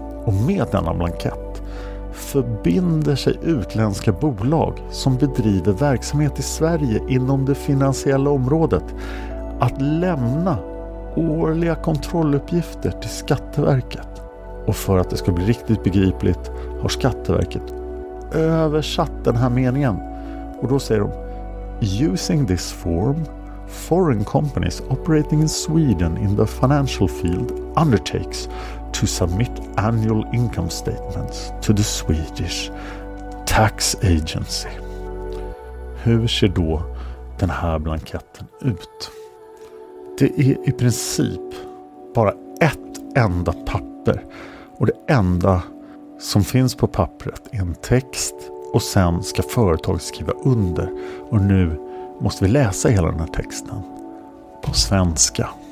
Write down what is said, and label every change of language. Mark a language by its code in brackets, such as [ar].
[sv] Och med denna blankett förbinder sig utländska bolag som bedriver verksamhet i Sverige inom det finansiella området att lämna årliga kontrolluppgifter till Skatteverket. Och för att det ska bli riktigt begripligt har Skatteverket översatt den här meningen. Och då säger de: [en] using this form, foreign companies operating in Sweden in the financial field undertakes to submit annual income statements to the Swedish tax agency. [sv] Hur ser då den här blanketten ut? Det är i princip bara ett enda papper. Och det enda som finns på pappret är en text. Och sen ska företaget skriva under. Och nu måste vi läsa hela den här texten på svenska.